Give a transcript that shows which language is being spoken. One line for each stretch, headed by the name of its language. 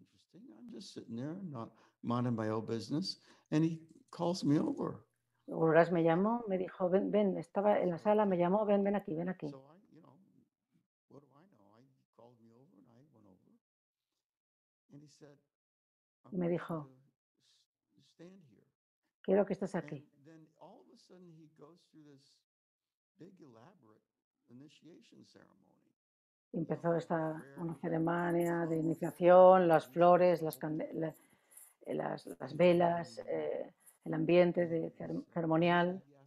English: I'm just sitting there, not minding my own business, and he calls me over.
Spanish: Gururás me llamó, me dijo, ven, estaba en la sala, me llamó, ven aquí.
English: So I, you know, what do I know? I called me over and I went over. And he said,
Spanish: me dijo,
English: stand here.
Spanish: Quiero que estés aquí.
English: And then all of a sudden he goes through this big elaborate initiation ceremony.
Spanish: Empezó una ceremonia de iniciación, las flores, las velas, el ambiente de ceremonial.